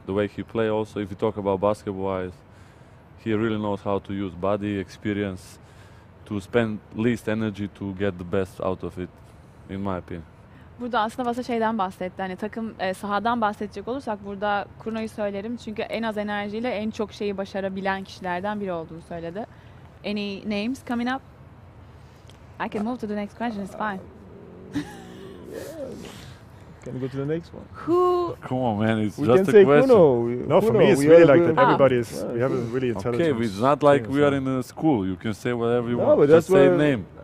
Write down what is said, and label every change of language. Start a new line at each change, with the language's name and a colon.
English: The way he play also, if you talk about basketball wise, he really knows how to use body experience to spend least energy to get the best out of it, in my opinion.
Turkish: Burada aslında Vasa şeyden bahsetti. Hani takım sahadan bahsedecek olursak burada Kruno'yu söylerim. Çünkü en az enerjiyle en çok şeyi başarabilen kişilerden biri olduğunu söyledi.
English: Any names coming up? I can move to the next question, it's fine. Can we go to the next one? Who? Come on, man, it's we just a question. We can say Kruno. No, for me, it's really like that. Everybody is, we have a really intelligent. Okay, it's not like we are in a school. You can say whatever you want. Just say name.